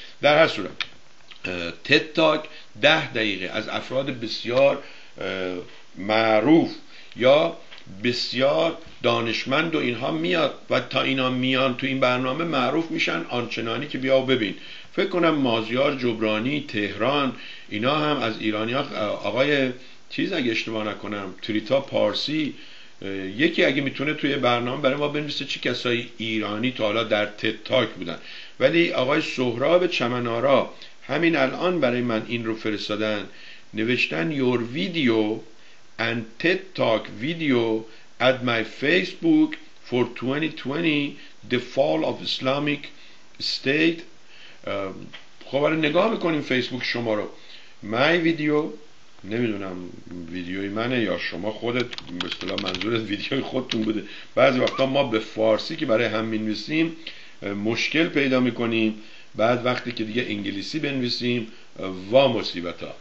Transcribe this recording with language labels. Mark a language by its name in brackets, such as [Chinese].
[Persian] در هر صورت تد تاک 10 دقیقه از افراد بسیار معروف یا بسیار دانشمند و اینها میاد، و تا اینا میان تو این برنامه معروف میشن آنچنانی که بیا و ببین. فکر کنم مازیار جبرانی تهران اینا هم از ایرانی ها، آقای چیز اگه اشتباه نکنم تریتا پارسی، یکی اگه میتونه توی برنامه برای ما بنویسه چه کسای ایرانی تا حالا در تد تاک بودن. ولی آقای سهراب چمنارا همین الان برای من این رو فرستادن، نوشتن [English] your video and TED talk video at my Facebook for 2020 the fall of Islamic state. [Persian] خب برای نگاه میکنیم فیسبوک شما رو، [English] my video [Persian] نمیدونم ویدیوی منه یا شما خودت به اصطلاح منظورت ویدیوی خودتون بوده. بعضی وقتا ما به فارسی که برای هم بنویسیم مشکل پیدا میکنیم، بعد وقتی که دیگه انگلیسی بنویسیم وا مصیبتا.